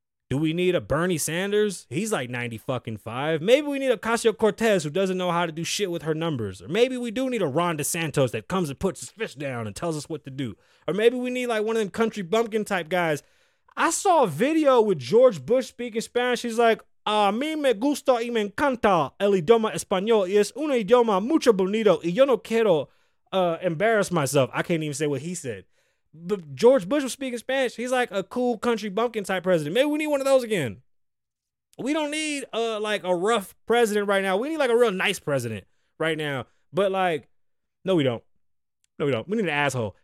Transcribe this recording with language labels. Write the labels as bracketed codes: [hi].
[en] Do we need a Bernie Sanders? He's like 90 fucking five. Maybe we need a Ocasio-Cortez who doesn't know how to do shit with her numbers. Or maybe we do need a Ron DeSantis that comes and puts his fist down and tells us what to do. Or maybe we need like one of them country bumpkin type guys. I saw a video with George Bush speaking Spanish. He's like, [es] a mí me gusta y me encanta el idioma español. Es un idioma mucho bonito y yo no quiero [en] embarrass myself. I can't even say what he said. But George Bush was speaking Spanish. He's like a cool country bumpkin type president. Maybe we need one of those again. We don't need like a rough president right now. We need like a real nice president right now. But like, no, we don't. No, we don't. We need an asshole.